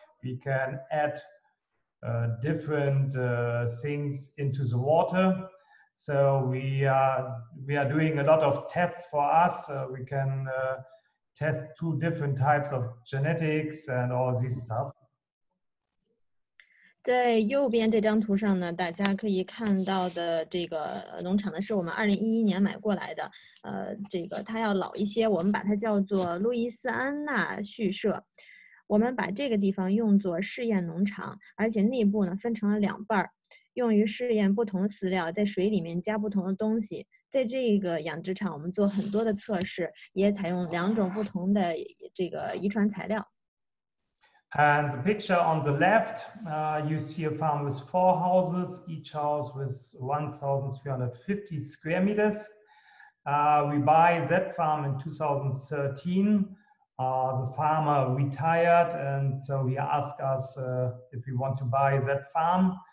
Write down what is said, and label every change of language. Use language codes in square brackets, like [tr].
[en] We can add different things into the water. So we are doing a lot of tests for us. We can test two different types of genetics and all this stuff. [zh] 在右边这张图上呢，大家可以看到的这个农场呢，是我们2011年买过来的。这个它要老一些，我们把它叫做路易斯安那畜舍。我们把这个地方用作试验农场，而且内部呢分成了两半，用于试验不同饲料，在水里面加不同的东西。在这个养殖场，我们做很多的测试，也采用两种不同的这个遗传材料。 [en] And the picture on the left, you see a farm with 4 houses, each house with 1,350 square meters. We buy that farm in 2013. The farmer retired, and so he asked us if we want to buy that farm.